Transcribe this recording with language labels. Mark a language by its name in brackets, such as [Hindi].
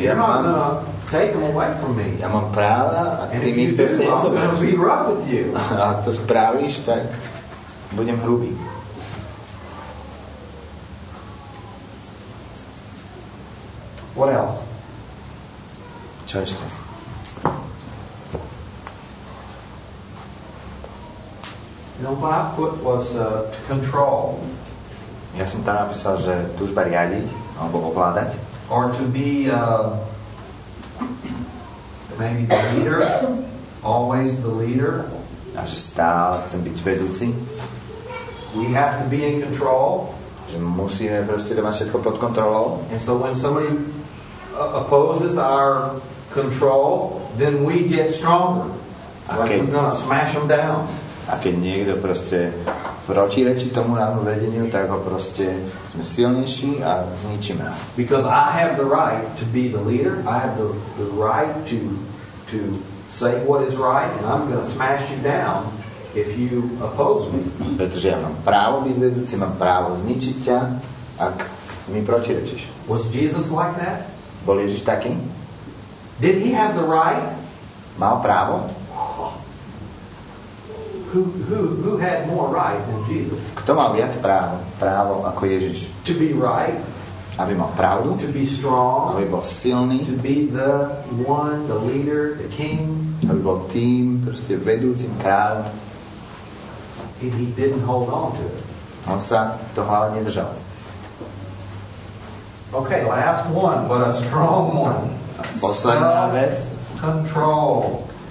[English] you're not going to take them away from me. [Slovak] Ja mám práva a ty mi ich proste nezoberieš. [English] I'm going to be rough with you. [Slovak] A ak to spravíš, tak budem hrubý. [English] What else? [Slovak] Čo ešte? [English] No, what I put was to control. [Slovak] Ja som tam napísal, že túžba riadiť alebo ovládať. [English] Or to be maybe the leader, always the leader. [Slovak] A že stále chcem byť vedúci. [English] We have to be in control. [Slovak] Že musíme proste mať všetko pod kontrolou. [English] And so when somebody opposes our control, then we get stronger. Like we're gonna smash them down. [Slovak] A keď niekto proste protirečí tomu nášmu vedeniu, tak ho proste sme silnejší a zničíme. [English] Because I have the right to be the leader. I have the right to say what is right, and I'm gonna smash you down if you oppose me. [Slovak] Pretože ja mám právo byť vedúci, mám právo zničiť ťa, ak mi protirečíš. [English] Was Jesus like that? [Slovak] Bol Ježiš taký? [English] Did he have the right? [Slovak] Mal právo? [English] Who had more right than Jesus? [Slovak] Kto mal viac právo? Právo ako Ježiš. [English] To be right. [Slovak] Aby mal pravdu. [English] To be strong. [Slovak] Aby bol silný. [English] To be the one, the leader, the king. [Slovak] Aby bol tým, proste vedúcim kráľ. [English] And he didn't hold on to it. [Slovak] On sa toho ale nedržal. [English] Okay, last one, but a strong one. [Slovak] Posledná vec. [English] Control.